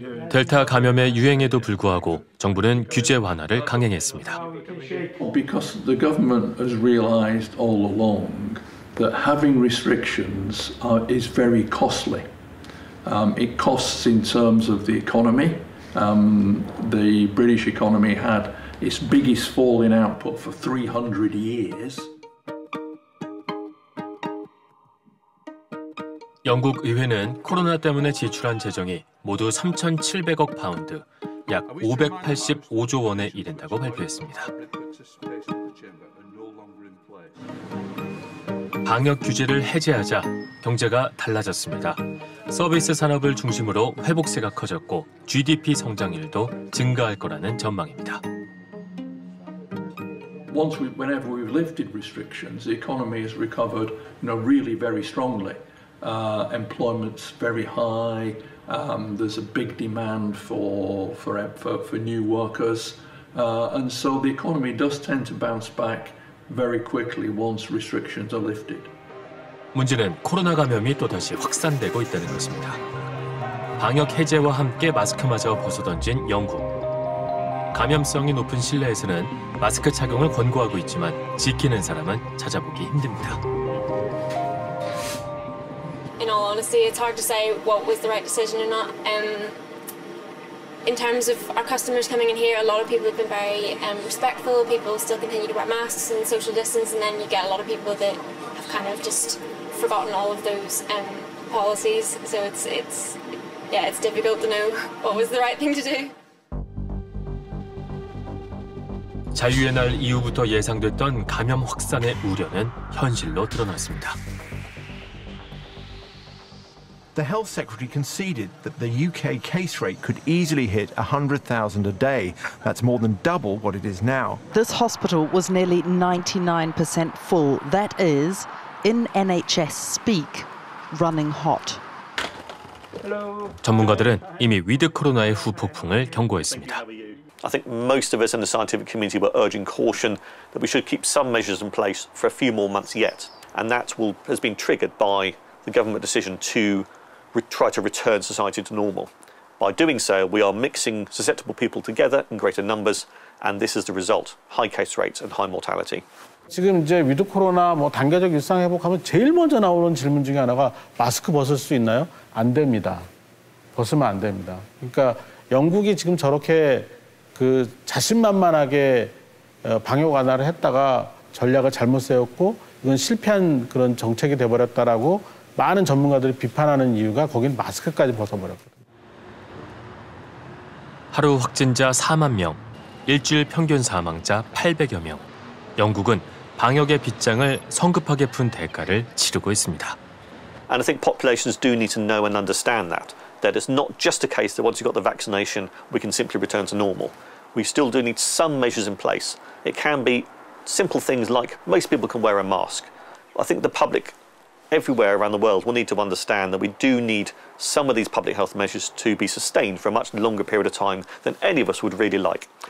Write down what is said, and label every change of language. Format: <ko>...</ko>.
<ko>델타 감염의 유행에도 불구하고 정부는 규제 완화를 강행했습니다.</ko> <en>Because the government has realized all along that having restrictions is very costly. It costs in terms of the economy. The British economy had its biggest fall in output for 300 years.</en> <ko>영국 의회는 코로나 때문에 지출한 재정이 모두 3,700억 파운드, 약 585조 원에 이른다고 발표했습니다. 방역 규제를 해제하자 경제가 달라졌습니다. 서비스 산업을 중심으로 회복세가 커졌고 GDP 성장률도 증가할 거라는 전망입니다.</ko> <en>Once we, whenever we've lifted restrictions, the economy has recovered, you know, really very strongly. Employment's very high. There's a big demand for new workers, and so the economy does tend to bounce back very quickly once restrictions are lifted.</en> <ko>문제는 코로나 감염이 또 다시 확산되고 있다는 것입니다. 방역 해제와 함께 마스크마저 벗어던진 영국. 감염성이 높은 실내에서는 마스크 착용을 권고하고 있지만 지키는 사람은 찾아보기 힘듭니다.</ko> <en>In all honesty, it's hard to say what was the right decision or not. In terms of our customers coming in here, a lot of people have been very respectful. People still continue to wear masks and social distance, and then you get a lot of people that have kind of just forgotten all of those policies. So it's difficult to know what was the right thing to do.</en> <ko>자유의 날 이후부터 예상됐던 감염 확산의 우려는 현실로 드러났습니다.</ko> <en>The health secretary conceded that the UK case rate could easily hit 100,000 a day. That's more than double what it is now. This hospital was nearly 99% full. That is, in NHS speak, running hot. Hello.</en> <ko>전문가들은 이미 위드 코로나의 후폭풍을 경고했습니다.</ko> <en>I think most of us in the scientific community were urging caution that we should keep some measures in place for a few more months yet. And that has been triggered by the government decision to try to return society to normal. By doing so, we are mixing susceptible people together in greater numbers, and this is the result: high case rates and high mortality.</en> <ko>지금 이제 위드 코로나 뭐 단계적 일상 회복하면 제일 먼저 나오는 질문 중에 하나가 마스크 벗을 수 있나요? 안 됩니다. 벗으면 안 됩니다. 그러니까 영국이 지금 저렇게 그 자신만만하게 방역 완화를 했다가 전략을 잘못 세웠고 이건 실패한 그런 정책이 돼버렸다라고. 많은 전문가들이 비판하는 이유가 거긴 마스크까지 벗어버렸거든요. 하루 확진자 4만 명, 일주일 평균 사망자 800여 명. 영국은 방역의 빗장을 성급하게 푼 대가를 치르고 있습니다.</ko> <en>And I think populations do need to know and understand that. That it's not just a case that once you've got the vaccination, we can simply return to normal. We still do need some measures in place. It can be simple things like most people can wear a mask. I think the public everywhere around the world will need to understand that we do need some of these public health measures to be sustained for a much longer period of time than any of us would really like.</en>